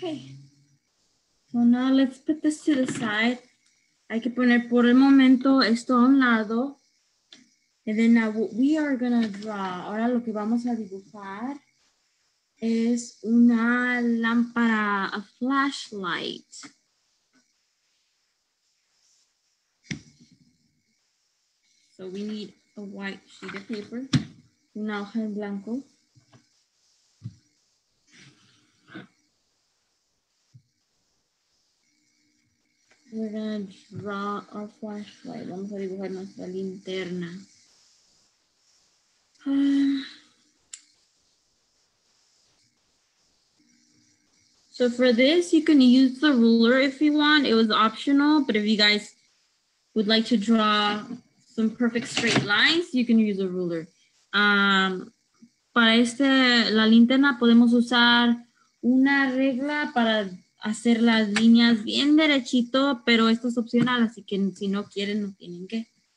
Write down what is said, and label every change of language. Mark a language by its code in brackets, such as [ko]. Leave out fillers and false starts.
[en] Okay, so now let's put this to the side. [es] Hay que poner por el momento esto a un lado. [en] And then now what we are gonna draw, [es] ahora lo que vamos a dibujar es una lámpara, [en] a flashlight. So we need a white sheet of paper, [es] una hoja en blanco. [en] We're gonna draw our flashlight. [es] Vamos a dibujar nuestra linterna. [en] So for this, you can use the ruler if you want. It was optional, but if you guys would like to draw some perfect straight lines, you can use a ruler. [es] Para este, la linterna, podemos usar una regla para hacer las líneas bien derechito, pero esto es opcional, así que si no quieren, no tienen que.